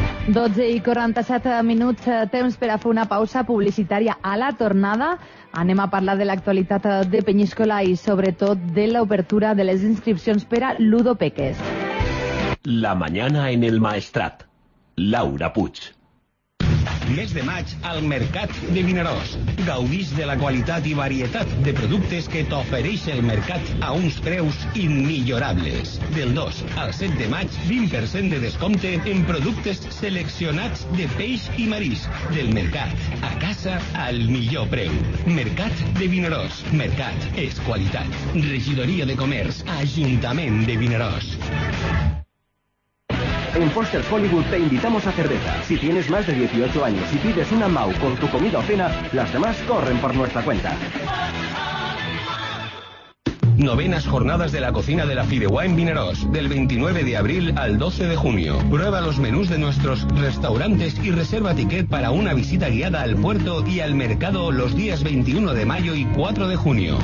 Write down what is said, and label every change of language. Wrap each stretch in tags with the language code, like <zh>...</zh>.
<ca>12 i 47 minuts, temps per a fer una pausa publicitària. A la tornada anem a parlar de l'actualitat de Peñíscola i sobretot de l'obertura de les inscripcions per a Ludopeques.</ca> <es>La mañana en el Maestrat. Laura Puig.</es> <ca>Mes de maig al Mercat de Vinaròs. Gaudís de la qualitat i varietat de productes que t'ofereix el mercat a uns preus immillorables. Del 2 al 7 de maig, 20% de descompte en productes seleccionats de peix i marisc. Del mercat a casa al millor preu. Mercat de Vinaròs. Mercat és qualitat. Regidoria de Comerç, Ajuntament de Vinaròs.</ca> <es>En Foster's Hollywood te invitamos a cerveza. Si tienes más de 18 años y pides una MAU con tu comida o cena, las demás corren por nuestra cuenta. Novenas jornadas de la cocina de la Fideuá en Vinaroz, del 29 de abril al 12 de junio. Prueba los menús de nuestros restaurantes y reserva ticket para una visita guiada al puerto y al mercado los días 21 de mayo y 4 de junio.</es>